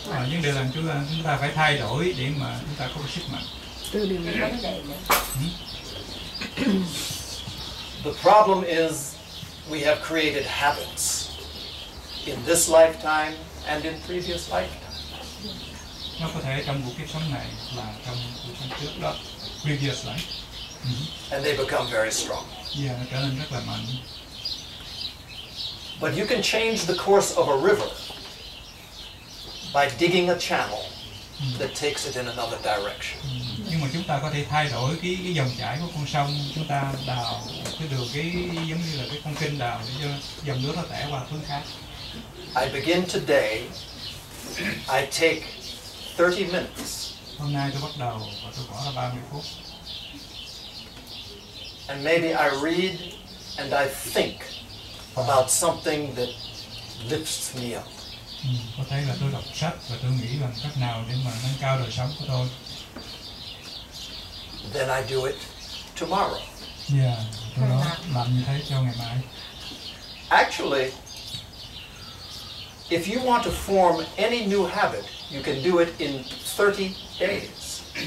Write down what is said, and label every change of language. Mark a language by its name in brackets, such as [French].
[Vietnamese] Nhưng điều làm chúng ta phải thay đổi để mà chúng ta có sức mạnh. [English] The problem is we have created habits in this lifetime and in previous lifetimes. [Vietnamese] Nó có thể trong cuộc kiếp sống này là trong cuộc sống trước đó, [English] previous life. and they become very strong. [Vietnamese] Yeah, trở nên rất là mạnh. [English] But you can change the course of a river by digging a channel that takes it in another direction. [Vietnamese] Nhưng mà chúng ta có thể thay đổi cái dòng chảy của con sông, chúng ta đào cái đường cái giống như là cái con kênh đào để cho dòng nước nó tẻ qua hướng khác. [English] I begin today. I take 30 minutes. [Vietnamese] Hôm nay tôi bắt đầu và tôi bỏ ra 30 phút. [English] And maybe I read and I think about something that lifts me up. [Vietnamese] Có thể là tôi đọc sách và tôi nghĩ làm cách nào để mà nâng cao đời sống của tôi. [English] Then I do it tomorrow. [Vietnamese] Yeah, tôi đó làm như thế cho ngày mai. [English] Actually, if you want to form any new habit, you can do it in 30 days.